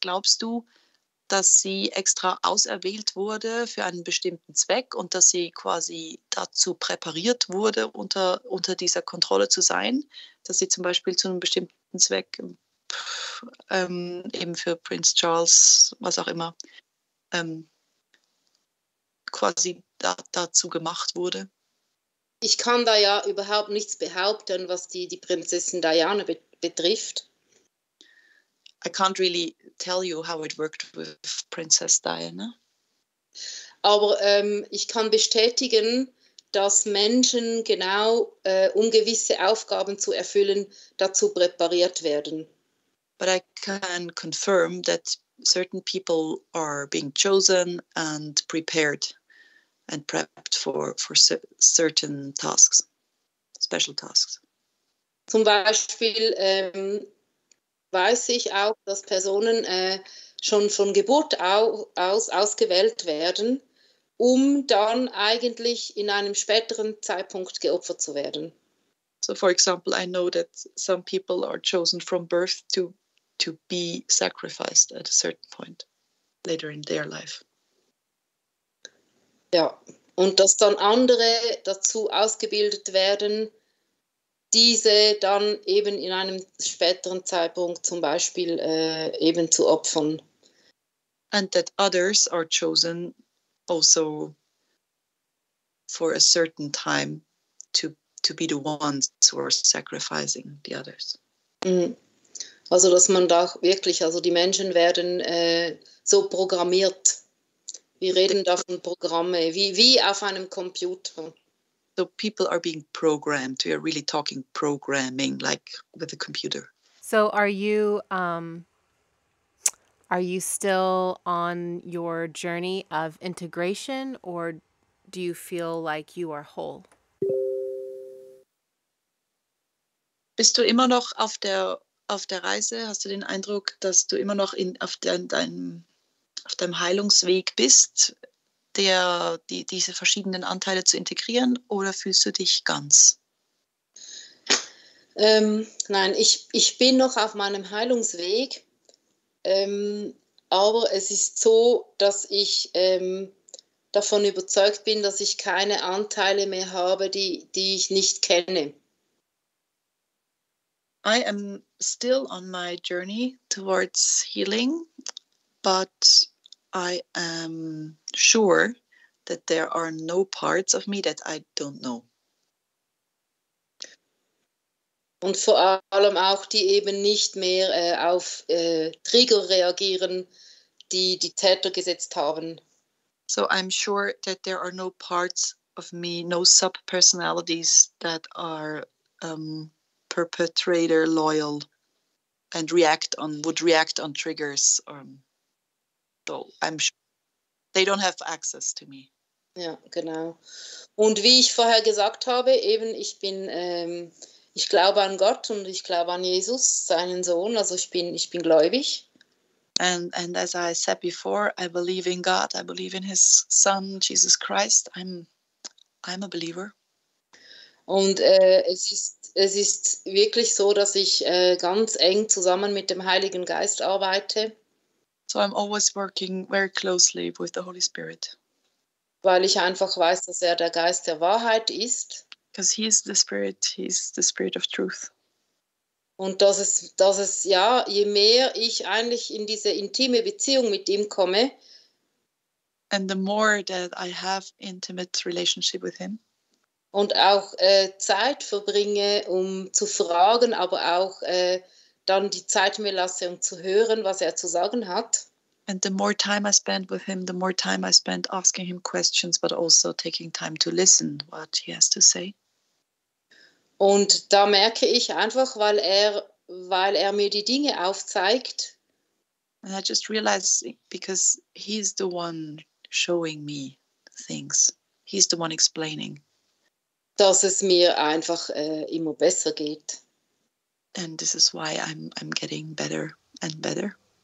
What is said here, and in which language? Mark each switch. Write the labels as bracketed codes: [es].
[de] Glaubst du, dass sie extra auserwählt wurde für einen bestimmten Zweck und dass sie quasi dazu präpariert wurde, unter dieser Kontrolle zu sein, dass sie zum Beispiel zu einem bestimmten Zweck eben für Prinz Charles, was auch immer, quasi dazu gemacht wurde? Ich kann da ja überhaupt nichts behaupten, was die Prinzessin Diana betrifft. [en] I can't really tell you how it worked with Princess Diana. [de] Aber ich kann bestätigen, dass Menschen genau, um gewisse Aufgaben zu erfüllen, dazu präpariert werden. [en] But I can confirm that certain people are being chosen and prepared and prepped for certain tasks, special tasks. [de] Zum Beispiel weiß ich auch, dass Personen schon von Geburt aus ausgewählt werden, um dann eigentlich in einem späteren Zeitpunkt geopfert zu werden. [en] So for example, I know that some people are chosen from birth to be sacrificed at a certain point later in their life. [de] Ja, und dass dann andere dazu ausgebildet werden, diese dann eben in einem späteren Zeitpunkt zum Beispiel eben zu opfern. [en] And that others are chosen also for a certain time to be the ones who are sacrificing the others. [de] Also dass man da wirklich, also die Menschen werden so programmiert. Wir reden da von Programme, wie auf einem Computer. [en] So people are being programmed. We are really talking programming, like with a computer. So are you still on your journey of integration, or do you feel like you are whole? [de] Bist du immer noch auf der Reise? Hast du den Eindruck, dass du immer noch auf deinem Heilungsweg bist, diese verschiedenen Anteile zu integrieren, oder fühlst du dich ganz? Nein, ich bin noch auf meinem Heilungsweg, aber es ist so, dass ich davon überzeugt bin, dass ich keine Anteile mehr habe, die ich nicht kenne. [en] I am still on my journey towards healing, but I am sure that there are no parts of me that I don't know. [de] Und vor allem auch die eben nicht mehr auf Trigger reagieren, die Täter gesetzt haben. [en] So I'm sure that there are no parts of me, no sub-personalities that are perpetrator loyal and would react on triggers or they don't have access to me. [de] Ja, genau. Und wie ich vorher gesagt habe, eben, ich bin, ich glaube an Gott und ich glaube an Jesus, seinen Sohn, also ich bin gläubig. [en] And as I said before, I believe in God, I believe in his son, Jesus Christ, I'm a believer. [de] Und es ist wirklich so, dass ich ganz eng zusammen mit dem Heiligen Geist arbeite. [en] So I'm always working very closely with the Holy Spirit. [de] Weil ich einfach weiß, dass er der Geist der Wahrheit ist. [en] Because he is the Spirit, he is the Spirit of Truth. [de] Und dass es, ja, je mehr ich eigentlich in diese intime Beziehung mit ihm komme. [en] And the more that I have intimate relationship with him. [de] und auch Zeit verbringe, um zu fragen, aber auch dann die Zeit mir lasse, um zu hören, was er zu sagen hat. [en] And the more time I spend with him, the more time I spend asking him questions, but also taking time to listen, what he has to say. [de] Und da merke ich einfach, weil er mir die Dinge aufzeigt. [en] And I just realize, because he's the one showing me things. He's the one explaining. [de] Dass es mir einfach immer besser geht. [en] And this is why I'm getting better and better.